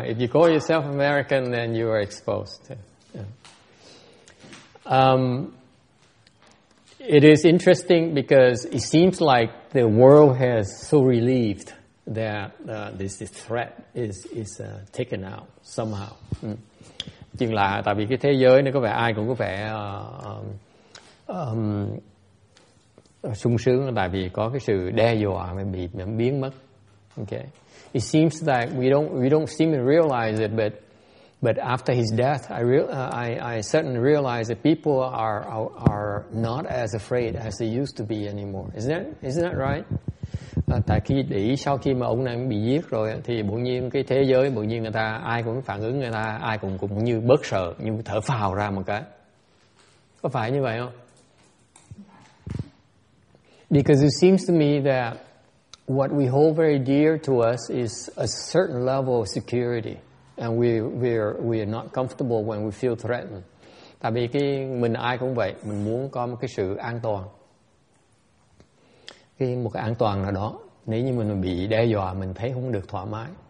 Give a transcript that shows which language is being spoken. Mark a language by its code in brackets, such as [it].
[en] If you call yourself American, then you are exposed. Yeah. It is interesting because it seems like the world has so relieved that this threat is taken out somehow. [vi] Nhưng là tại vì cái thế giới này có vẻ ai cũng có vẻ sung sướng tại vì có cái sự đe dọa mà bị biến mất. Okay. [en] It seems that we don't seem to realize it, but after his death, I certainly realize that people are not as afraid as they used to be anymore. Isn't that right? [vi] Tại khi để sau khi mà ông này bị giết rồi thì bỗng nhiên cái thế giới bỗng nhiên người ta ai cũng phản ứng người ta ai cũng như bớt sợ như thở phào ra một cái. Có phải như vậy không? [en] Because it seems to me that what we hold very dear to us is a certain level of security, and we are not comfortable when we feel threatened. [vi] Tại vì cái mình ai cũng vậy, mình muốn có một cái sự an toàn, cái một cái an toàn nào đó. Nếu như mình bị đe dọa, mình thấy không được thoải mái.